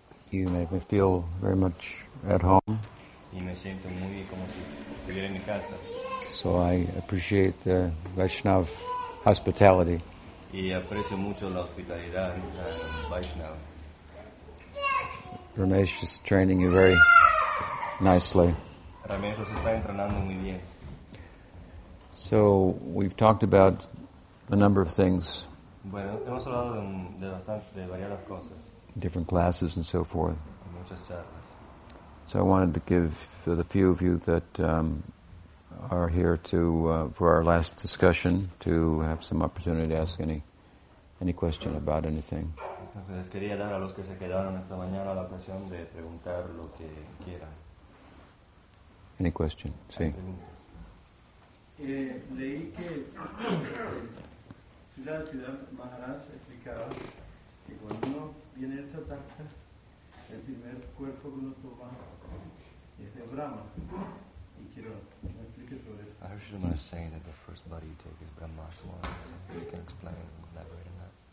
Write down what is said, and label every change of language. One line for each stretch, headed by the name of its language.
English: You make me feel very much at home.
Spanish: Y me siento muy como si estuviera en mi casa.
English: So I appreciate the Vaishnav hospitality.
Spanish: Y aprecio mucho la hospitalidad Vaishnav.
English: Ramesh is training you very nicely.
Spanish: Ramesh se está entrenando muy bien.
English: So we've talked about a number of things.
Spanish: Bueno, hemos hablado de bastante, de varias cosas.
English: Different classes and so forth.
Spanish: Muchas charlas.
English: So I wanted to give for the few of you that are here to for our last discussion to have some opportunity to ask any question about anything.
Spanish: Entonces quería dar a los que se quedaron esta mañana la ocasión de preguntar lo que quieran.
English: Any question? Sí.
Spanish: Leí que Srila Siddhartha Maharaj explicaba que cuando uno viene a esta tarta, el primer cuerpo que uno toma es de Brahma. Y quiero que explique sobre eso.
English: I heard Srila Maharaj say that the first body you take is Brahma. So you can explain and elaborate on that.